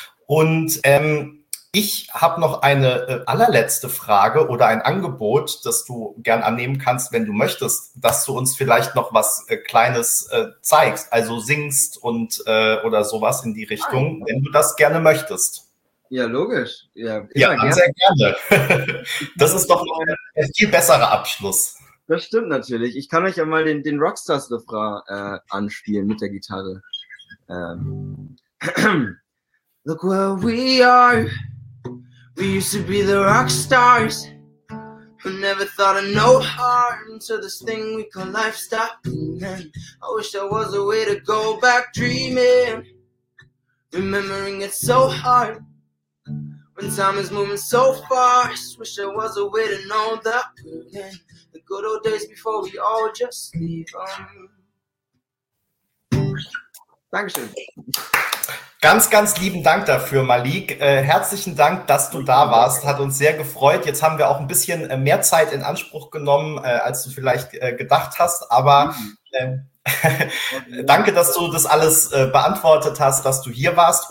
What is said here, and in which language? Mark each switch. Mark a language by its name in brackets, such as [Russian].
[German] Und ich habe noch eine allerletzte Frage oder ein Angebot, das du gern annehmen kannst, wenn du möchtest, dass du uns vielleicht noch was Kleines zeigst, also singst und oder sowas in die Richtung, wenn du das gerne möchtest. Ja, logisch. Ja, sehr gerne. Das ist doch ein viel besserer Abschluss. Das stimmt natürlich. Ich kann euch ja mal den Rockstars-Refrain anspielen mit der Gitarre. [English] Look where we are, we used to be the rock stars, who never thought of no heart until this thing we call life stopped. And I wish there was a way to go back dreaming, remembering it so hard, when time is moving so fast. Wish there was a way to know that the good old days before we all just leave on. [German] Dankeschön. Ganz, ganz lieben Dank dafür, Malik. Herzlichen Dank, dass du da warst. Hat uns sehr gefreut. Jetzt haben wir auch ein bisschen mehr Zeit in Anspruch genommen, als du vielleicht gedacht hast. Aber danke, dass du das alles beantwortet hast, dass du hier warst.